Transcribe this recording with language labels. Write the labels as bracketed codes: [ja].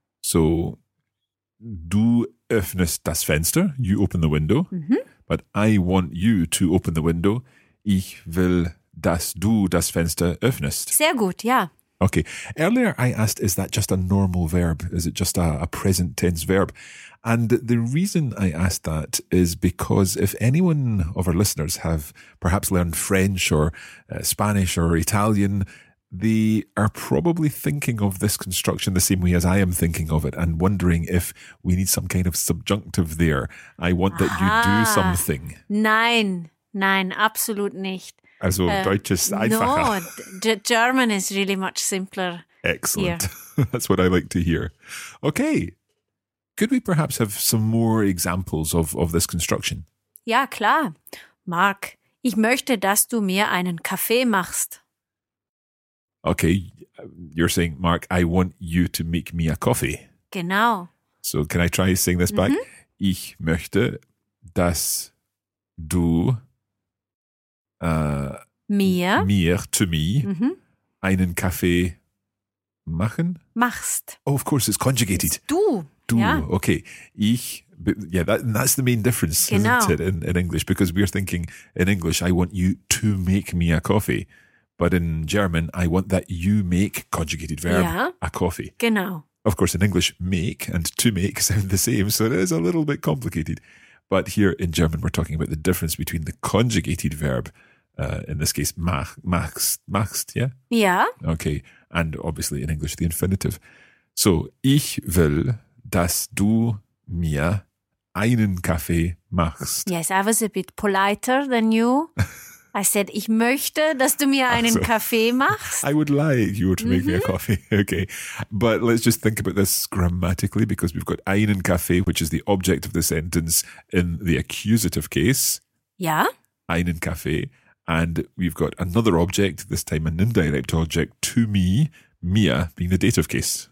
[de] So, du öffnest das Fenster. [en] You open the window. Mm-hmm. But I want you to open the window. [de] Ich will, dass du das Fenster öffnest. Sehr gut, ja. [en] Okay. Earlier I asked, is that just a normal verb? Is it just a present tense verb? And the reason I asked that is because if anyone of our listeners have perhaps learned French or Spanish or Italian, they are probably thinking of this construction the same way as I am thinking of it and wondering if we need some kind of subjunctive there. I want that you do something. [de] Nein, nein, absolut nicht. Also Deutsch ist einfacher. [en] No, German is really much simpler. Excellent. That's what I like to hear. Okay. Could we perhaps have some more examples of this construction? [de] Ja, klar. Mark, ich möchte, dass du mir einen Kaffee machst. [en] Okay, you're saying, Mark, I want you to make me a coffee. [de] Genau. [en] So can I try saying this back? [de] Mm-hmm. Ich möchte, dass du mir mm-hmm. einen Kaffee machen? Machst. [en] Oh, of course, it's conjugated. It's du, ja. Okay. Ich, yeah, that's the main difference, [de] genau. [en] Isn't it, in English? Because we're thinking in English, I want you to make me a coffee. But in German, I want that you make, conjugated verb, [de] ja, [en] a coffee. [de] Genau. [en] Of course, in English, make and to make sound the same, so it is a little bit complicated. But here in German, we're talking about the difference between the conjugated verb, in this case, machst, yeah? Yeah. Okay. And obviously in English, the infinitive. [de] So, ich will, dass du mir einen Kaffee machst. [en] Yes, I was a bit politer than you. I said, [de] ich möchte, dass du mir einen Kaffee machst. [en] I would lie if you were to make mm-hmm. me a coffee. Okay. But let's just think about this grammatically, because we've got [de] einen Kaffee, [en] which is the object of the sentence in the accusative case. [de] Ja. Einen Kaffee. [en] And we've got another object, this time an indirect object, to me, mir, being the dative case.